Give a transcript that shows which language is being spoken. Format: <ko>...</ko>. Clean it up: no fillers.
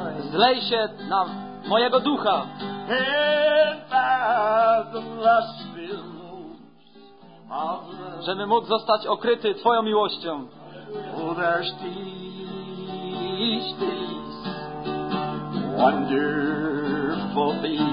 <pl>Zlej się na mojego ducha.</pl> <en>In fathomless billows of love.</en> <pl>Żeby mógł zostać okryty Twoją miłością.</pl> <en>Oh, there's peace, peace, wonderful peace.</en>